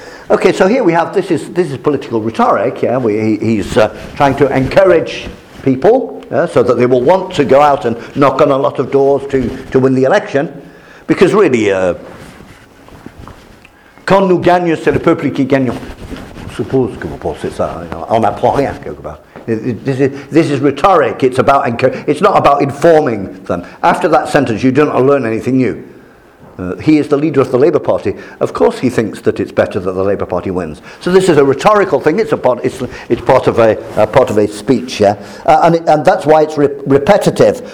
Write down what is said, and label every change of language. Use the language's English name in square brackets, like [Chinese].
[English] Okay, so here we have, this is political rhetoric. Yeah, he's trying to encourage people, yeah, so that they will want to go out and knock on a lot of doors to win the election, because really, [French] quand nous gagnons, c'est le peuple qui gagne. Suppose que vous pensez ça, on n'apprend rien quelque part. [English] This is rhetoric. It's about it's not about informing them. After that sentence, you do not learn anything new. He is the leader of the Labour Party. Of course he thinks that it's better that the Labour Party wins. So this is a rhetorical thing. It's part of a speech, yeah? And that's why it's repetitive.